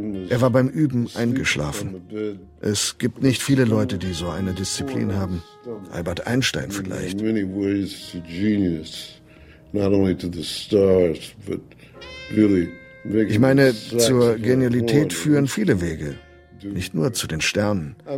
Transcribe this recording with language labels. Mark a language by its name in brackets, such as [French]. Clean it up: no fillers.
[German] Er war beim Üben eingeschlafen. Es gibt nicht viele Leute, die so eine Disziplin haben. Albert Einstein vielleicht. [English] In many ways a genius, not only to the stars, but really. [German] Ich meine, zur Genialität führen viele Wege, nicht nur zu den Sternen.